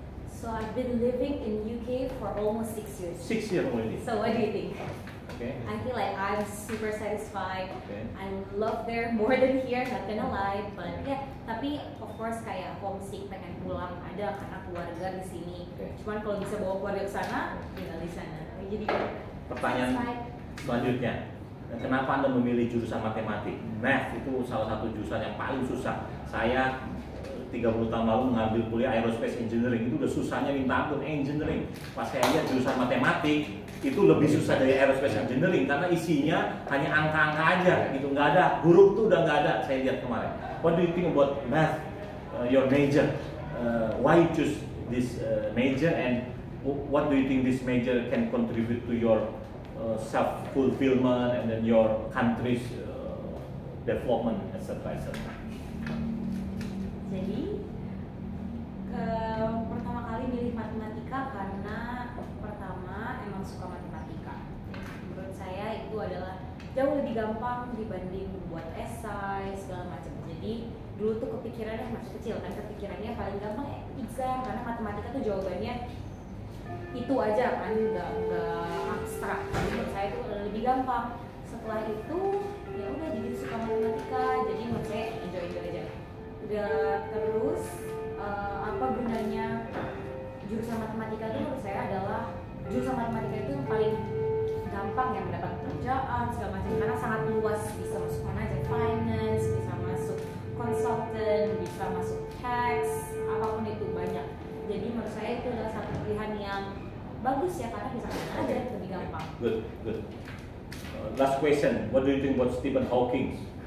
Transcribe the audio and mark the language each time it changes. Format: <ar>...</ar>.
<en>So I've been living in UK for almost 6 years. 6 years already. So what do you think? Okay. I feel like I'm super satisfied. Okay. I love there more than here, not gonna lie. But yeah,</en> <id>tapi</id> <en>of course</en> <id>kayak homesick, pengen pulang. Ada karena keluarga di sini.</id> <en>Okay.</en> <id>Cuman kalau bisa bawa keluarga ke sana, tinggal di sana. Jadi pertanyaan</id> <en>satisfied.</en> <id>Selanjutnya, kenapa Anda memilih jurusan matematik? Math itu salah satu jurusan yang paling susah. Saya 30 tahun lalu mengambil kuliah aerospace engineering, itu udah susahnya minta ampun engineering. Pas saya lihat jurusan matematik, itu lebih susah dari aerospace engineering karena isinya hanya angka-angka aja gitu, nggak ada huruf tuh udah nggak ada. Saya lihat kemarin,</id> <en>what do you think about math, your major, why you choose this major, and what do you think this major can contribute to your self-fulfillment and then your country's development, etc., etc.</en> <id>Jadi pertama kali milih matematika karena pertama emang suka matematika. Menurut saya itu adalah jauh lebih gampang dibanding buat esai segala macam. Jadi dulu tuh kepikirannya masih kecil kan, kepikirannya paling gampang exam karena matematika tuh jawabannya itu aja kan, nggak abstrak. Menurut saya itu lebih gampang. Setelah itu ya udah jadi suka matematika, jadi menurut saya enjoy aja. Udah terus apa gunanya jurusan matematika itu menurut saya adalah jurusan matematika itu yang paling gampang yang mendapat pekerjaan segala macam karena sangat luas, bisa masuk mana aja, finance, bisa masuk consultant, bisa masuk tax, apapun itu banyak. Jadi menurut saya itu adalah satu pilihan yang bagus ya karena bisa mana aja lebih gampang.</id> <en>Good, good. Last question, what do you think about Stephen Hawking?</en>